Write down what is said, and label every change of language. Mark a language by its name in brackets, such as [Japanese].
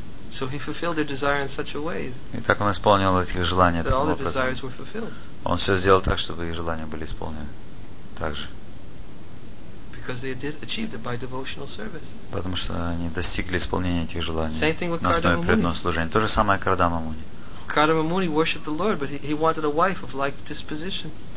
[English] So he fulfilled their desire in such a way. [Russian] И так он исполнил их желание таким образом. [English] All their desires were fulfilled. [Russian] Он все сделал так, чтобы их желания были исполнены. Также. [English] Because they did achieve it by devotional service. [Russian] Потому что они достигли исполнения этих желаний на основе преданного служения. То же самое Кардама Муни. [English] Кардама Муни worshipped the Lord, but he wanted a wife of like disposition.